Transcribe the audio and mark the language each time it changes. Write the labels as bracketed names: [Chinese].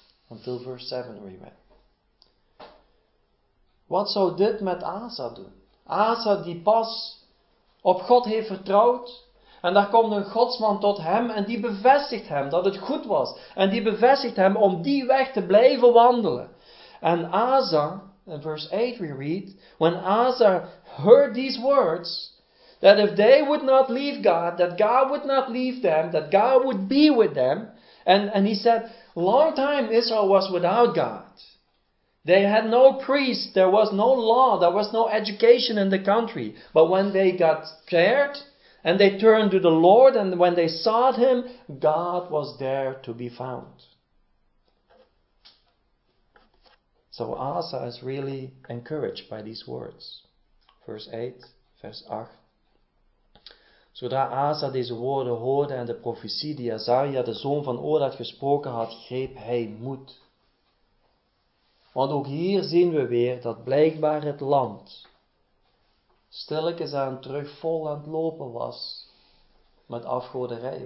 [English] Until verse 7 we read. [Dutch] Wat zou dit met Asa doen? Asa die pas op God heeft vertrouwd. En daar komt een godsman tot hem en die bevestigt hem dat het goed was. En die bevestigt hem om die weg te blijven wandelen. [English] En Asa, in verse 8 we read, when Asa heard these words, that if they would not leave God, that God would not leave them, that God would be with them. And he said, long time Israel was without God. They had no priest, there was no law, there was no education in the country. But when they got scared and they turned to the Lord and when they sought him, God was there to be found. So Asa is really encouraged by these words. Verse 8, verse 8. [Dutch] Zodra Asa deze woorden hoorde en de profetie die Azaria, de zoon van Odad, gesproken had, greep hij moed. Want ook hier zien we weer dat blijkbaar het land stilletjes aan terug vol aan het lopen was met afgoderij.